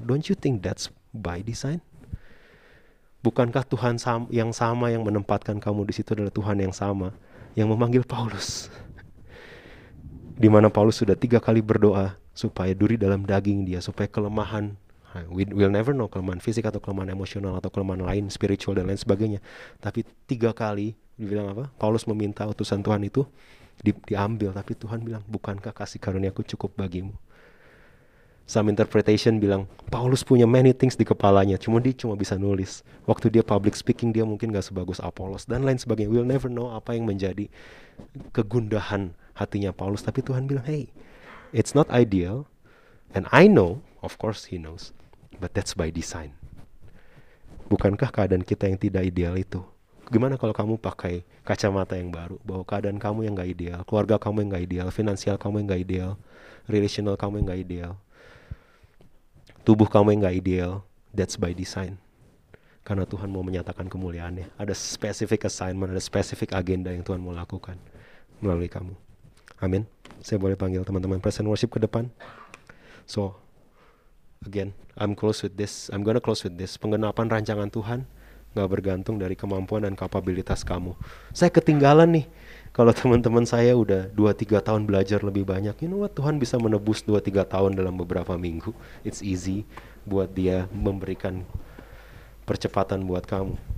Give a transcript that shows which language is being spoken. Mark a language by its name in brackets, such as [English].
[English] Don't you think that's by design? [Indonesian] Bukankah Tuhan yang sama yang menempatkan kamu di situ adalah Tuhan yang sama yang memanggil Paulus? Di mana Paulus sudah 3 kali berdoa supaya duri dalam daging dia, supaya kelemahan, [English] we'll never know [Indonesian] kelemahan fisik atau kelemahan emosional atau kelemahan lain, spiritual dan lain sebagainya. Tapi 3 kali dibilang apa? Paulus meminta utusan Tuhan itu diambil, tapi Tuhan bilang, bukankah kasih karuniaku cukup bagimu? [English] Some interpretation [Indonesian] bilang, Paulus punya [English] many things [Indonesian] di kepalanya, cuma dia cuma bisa nulis. Waktu dia public speaking, dia mungkin gak sebagus Apolos dan lain sebagainya. [English] We'll never know [Indonesian] apa yang menjadi kegundahan hatinya Paulus. Tapi Tuhan bilang, [English] hey, it's not ideal, and I know, of course he knows, but that's by design. [Indonesian] Bukankah keadaan kita yang tidak ideal itu? Gimana kalau kamu pakai kacamata yang baru, bahwa keadaan kamu yang gak ideal, keluarga kamu yang gak ideal, finansial kamu yang gak ideal, relational kamu yang gak ideal, tubuh kamu yang gak ideal, [English] that's by design. [Indonesian] Karena Tuhan mau menyatakan kemuliaannya. Ada specific assignment, ada specific agenda yang Tuhan mau lakukan melalui kamu. Amin. Saya boleh panggil teman-teman praise and worship ke depan. [English] So, again, I'm gonna close with this. [Indonesian] Penggenapan rancangan Tuhan gak bergantung dari kemampuan dan kapabilitas kamu. Saya ketinggalan nih. Kalau teman-teman saya udah 2-3 tahun belajar lebih banyak, [English] you know what, [Indonesian] Tuhan bisa menebus 2-3 tahun dalam beberapa minggu. [English] It's easy [Indonesian] buat dia memberikan percepatan buat kamu.